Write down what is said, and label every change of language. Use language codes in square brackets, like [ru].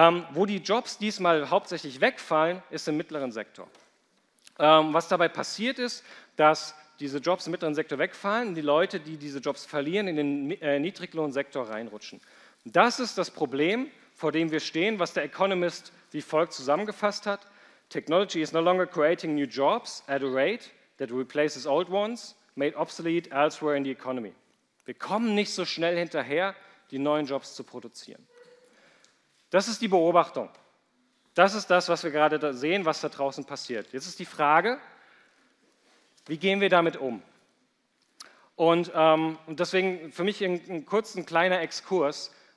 [de] Wo die Jobs diesmal hauptsächlich wegfallen, ist im mittleren Sektor. Was dabei passiert ist, dass diese Jobs im mittleren Sektor wegfallen und die Leute, die diese Jobs verlieren, in den Niedriglohnsektor reinrutschen. Das ist das Problem, vor dem wir stehen, was der Economist wie folgt zusammengefasst hat. [en] Technology is no longer creating new jobs at a rate that replaces old ones made obsolete elsewhere in the economy. [de] Wir kommen nicht so schnell hinterher, die neuen Jobs zu produzieren. Das ist die Beobachtung. Das ist das, was wir gerade da sehen, was da draußen passiert. Jetzt ist die Frage, wie gehen wir damit um? Und deswegen für mich ein kleiner Exkurs.